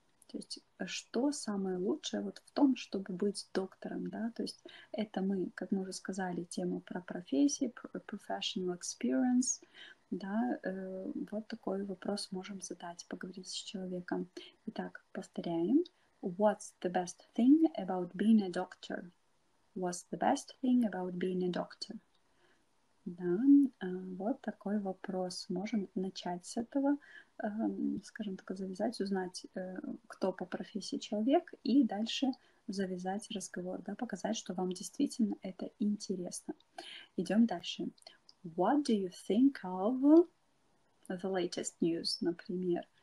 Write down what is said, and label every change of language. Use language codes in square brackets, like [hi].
[ru] То есть, что самое лучшее вот в том, чтобы быть доктором, да? То есть, это мы, как мы уже сказали, тема про профессии, [en] professional experience, [ru] да, вот такой вопрос можем задать, поговорить с человеком. Итак, повторяем. [en] What's the best thing about being a doctor? What's the best thing about being a doctor? [ru] Да, вот такой вопрос. Можем начать с этого, скажем так, завязать, узнать, кто по профессии человек, и дальше завязать разговор, да, показать, что вам действительно это интересно. Идем дальше. [en] What do you think of the latest news, [ru] например?